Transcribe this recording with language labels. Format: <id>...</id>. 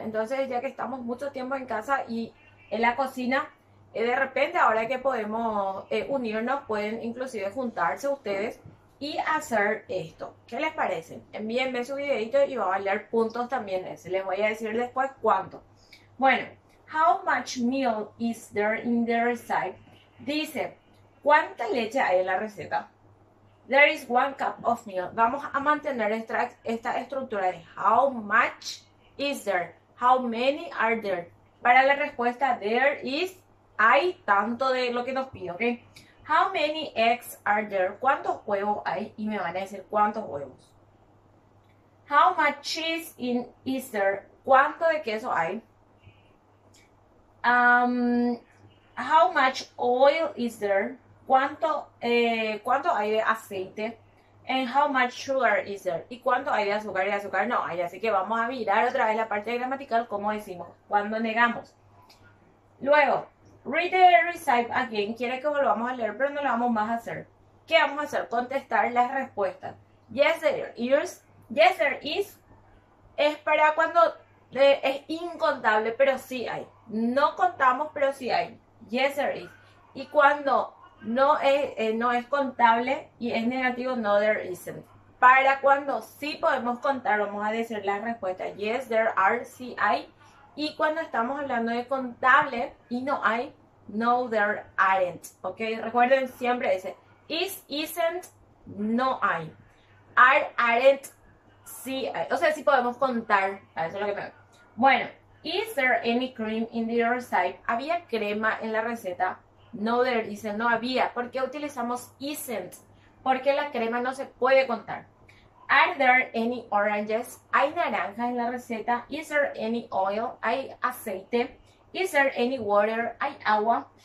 <es>Entonces, ya que estamos mucho tiempo en casa y en la cocina, de repente ahora que podemos unirnos, pueden inclusive juntarse ustedes y hacer esto. ¿Qué les parece? Envíenme su videito y va a valer puntos también ese. Les voy a decir después cuánto.</es> <en>Bueno, how much milk is there in their side?</en> <es>Dice, ¿cuánta leche hay en la receta?</es> <en>There is 1 cup of milk.</en> <es>Vamos a mantener esta estructura de</es> <en>how much is there? How many are there?</en> <es>Para la respuesta,</es> <en>there is,</en> <es>hay tanto de lo que nos pide, ¿ok?</es> <en>How many eggs are there?</en> <es>¿Cuántos huevos hay? Y me van a decir cuántos huevos.</es> <en>How much cheese is there?</en> <es>¿Cuánto de queso hay?</es> <en>How much oil is there?</en> <es>¿Cuánto hay de aceite?</es> <en>And how much sugar is there?</en> <es>¿Y cuánto hay de azúcar? Y de azúcar no hay. Así que vamos a mirar otra vez la parte de gramatical, como decimos, cuando negamos.</es> <en>Luego, read the recipe again.</en> <es>Quiere que volvamos a leer, pero no lo vamos más a hacer. ¿Qué vamos a hacer? Contestar las respuestas.</es> <en>Yes, there is.</en> <es>Es para cuando es incontable, pero sí hay. No contamos, pero sí hay.</es> <en>Yes, there is.</en> <es>Y cuando no es contable y es negativo, no,</es> <en>there isn't.</en> <es>Para cuando sí podemos contar, vamos a decir la respuesta.</es> <en>Yes, there are,</en> <es>sí hay. Y cuando estamos hablando de contable y no hay, no,</es> <en>there aren't.</en> <es>¿Ok? Recuerden siempre ese.</es> <en>Is, isn't,</en> <es>no hay.</es> <en>Are, aren't,</en> <es>sí hay. O sea, sí podemos contar. Eso es lo que me...</es> <en>Bueno, is there any cream in the other side?</en> <es>¿Había crema en la receta?</es> <en>No, there isn't.</en> <es>No había. ¿Por qué utilizamos isn't? Porque la crema no se puede contar.</es> <en>Are there any oranges?</en> <es>¿Hay naranja en la receta?</es> <en>Is there any oil?</en> <es>¿Hay aceite?</es> <en>Is there any water?</en> <es>¿Hay agua?</es>